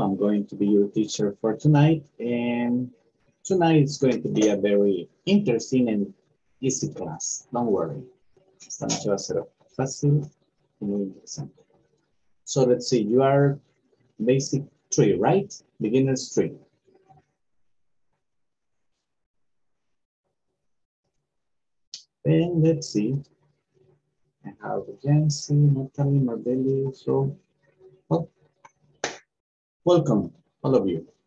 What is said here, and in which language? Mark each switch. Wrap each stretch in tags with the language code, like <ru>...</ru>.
<en>I'm going to be your teacher for tonight. And tonight is going to be a very interesting and easy class. Don't worry.</en> <es>Esta noche va a ser fácil y muy interesante.</es> <en>So let's see, you are basic three, right? Beginner's three. And let's see. And how the Jancy, Natalie, Marbelli, so well, welcome, all of you.</en>